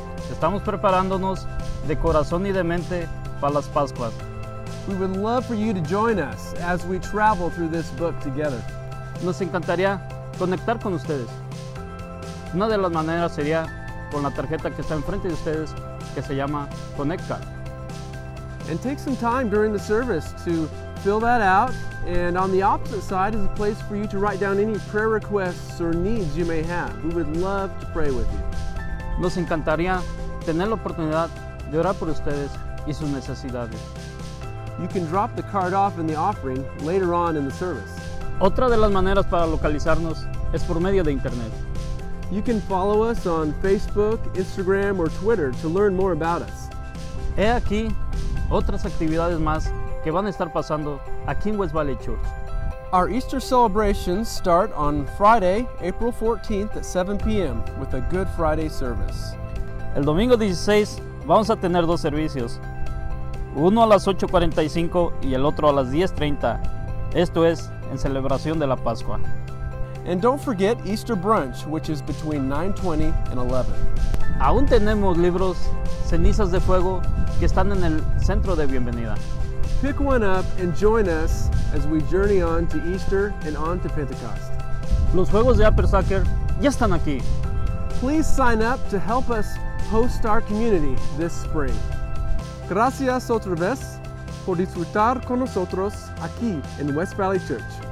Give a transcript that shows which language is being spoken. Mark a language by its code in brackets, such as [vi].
[es] Estamos preparándonos de corazón y de mente para las Pascuas. [en] We would love for you to join us as we travel through this book together. [es] Nos encantaría conectar con ustedes. Una de las maneras sería con la tarjeta que está enfrente de ustedes, que se llama Connect Card. [en] And take some time during the service to fill that out. And on the opposite side is a place for you to write down any prayer requests or needs you may have. We would love to pray with you. [es] Nos encantaría tener la oportunidad de orar por ustedes y sus necesidades. [en] You can drop the card off in the offering later on in the service. [es] Otra de las maneras para localizarnos es por medio de internet. [en] You can follow us on Facebook, Instagram, or Twitter to learn more about us. [es] He aquí otras actividades más que van a estar pasando aquí en West Valley Church. [en] Our Easter celebrations start on Friday, April 14th at 7 p.m. with a Good Friday service. [es] El domingo 16 vamos a tener dos servicios. Uno a las 8:45 y el otro a las 10:30. Esto es en celebración de la Pascua. [en] And don't forget Easter brunch, which is between 9:20 and 11. [es] Aún tenemos libros Cenizas de Fuego que están en el centro de bienvenida. [en] Pick one up and join us as we journey on to Easter and on to Pentecost. [es] Los juegos de Upper Soccer ya están aquí. [en] Please sign up to help us host our community this spring. [es] Gracias otra vez por disfrutar con nosotros aquí en West Valley Church.